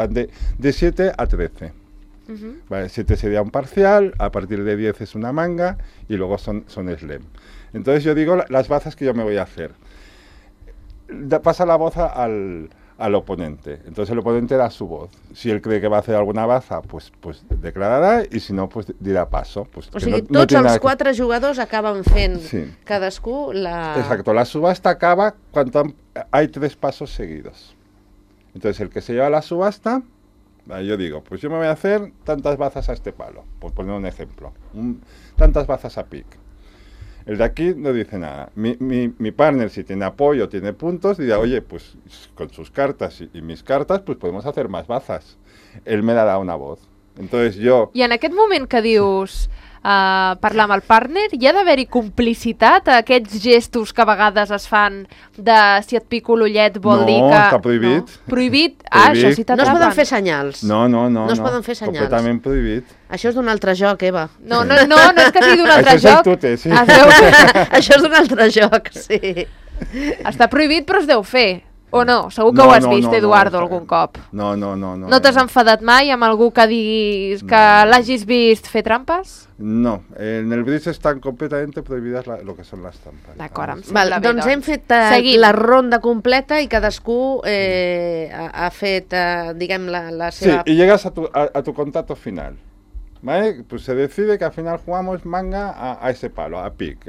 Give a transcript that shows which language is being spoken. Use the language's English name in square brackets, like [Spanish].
[Spanish] Van de 7 a 13. Uh-huh. ¿Vale? 7 sería un parcial, a partir de 10 es una manga y luego son slam. Entonces yo digo las bazas que yo me voy a hacer. Pasa la voz al oponente. Entonces el oponente da su voz. Si él cree que va a hacer alguna baza, pues declarará, y si no, pues dirá paso. Pues, [Catalan] o sigui, no, tots no els quatre jugadors acaben fent sí. cadascú la... [Spanish] Exacto, la subasta acaba quan hay tres passos seguidos. Entonces el que se lleva la subasta, yo digo, pues yo me voy a hacer tantas bazas a este palo, por poner un ejemplo. Tantas bazas a pic. El de aquí no dice nada. Mi partner, si tiene apoyo, tiene puntos, dirá, oye, pues con sus cartas y mis cartas, pues podemos hacer más bazas. Él me dará una voz. Entonces yo... [Catalan] I en aquest moment que dius parlar amb el partner, hi ha d'haver-hi complicitat a aquests gestos que a vegades es fan de si et pico l'ullet vol no, dir que... Està prohibit. No, prohibit. Prohibit? Ah, això sí t'atrapen. No es poden fer senyals. No. No es poden fer senyals. Completament prohibit. Això és d'un altre joc, Eva. No, és que sigui d'un altre això joc. Això és tute, sí. Això és d'un altre joc, sí. Està prohibit, però es deu fer. O no? Segur que no, ho has vist, Eduardo, algun cop. No. No t'has enfadat mai amb algú que diguis que l'hagis vist fer trampes? No. [Spanish] En el bridge están completamente prohibidas lo que son las trampas. [Catalan] D'acord, em sembla bé. Doncs hem fet la ronda completa i cadascú ha fet, diguem, la seva... [Spanish] Sí, i llegas a tu contacto final. ¿Vale? Pues se decide que al final jugamos manga a ese palo, a pic.